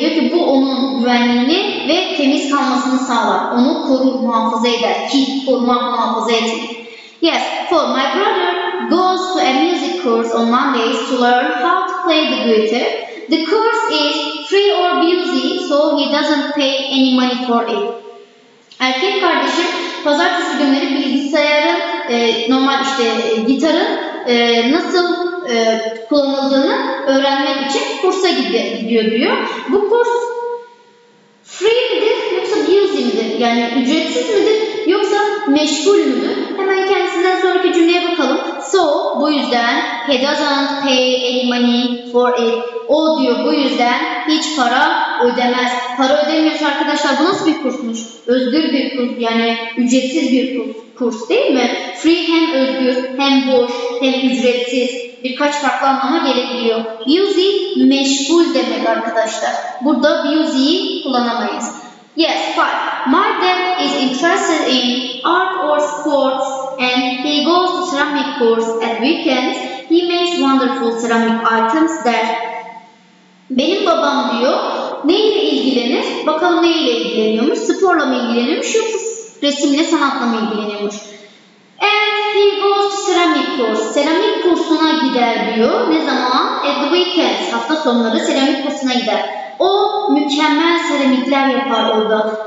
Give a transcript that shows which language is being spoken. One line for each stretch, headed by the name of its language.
Turkish: Diyor ki bu onun güvenliğini ve temiz kalmasını sağlar. Onu korur, muhafaza eder. Keep, korumak, muhafaza etmek.
English: Yes, for my brother goes to a music course on Mondays to learn how to play the guitar. The course is free or busy, so he doesn't pay any money for it.
Turkish: Erkek kardeşim pazartesi günleri bilgisayarın, normal işte gitarın nasıl kullanıldığını öğrenmek için kursa gidiyor diyor. Bu kurs free midir yoksa busy midir? Yani ücretsiz midir yoksa meşgul müdür?
English: Hemen kendisinden sonraki cümleye bakalım. So, bu yüzden he doesn't pay any money for it.
Turkish: O diyor, bu yüzden hiç para ödemez. Para ödemiyorsa arkadaşlar, bu nasıl bir kursmuş? Özgür bir kurs, yani ücretsiz bir kurs değil mi? Free hem özgür, hem boş, hem ücretsiz. Birkaç farklı anlama gelebiliyor. Busy, meşgul demek arkadaşlar. Burada busy'yi kullanamayız. Yes, fine. My dad is interested.
English: interested in art or sports and he goes to ceramic course at weekends, he makes wonderful ceramic items there.
Turkish: Benim babam diyor, neyle ilgilenir? Bakalım neyle ilgileniyormuş? Sporla mı ilgileniyormuş yoksa resimle, sanatla mı ilgileniyormuş?
English: And he goes to ceramic course. Ceramic kursuna gider diyor. Ne zaman? At the weekends.
Turkish: Hafta sonları ceramic kursuna gider. O mükemmel seramikler yapar orada.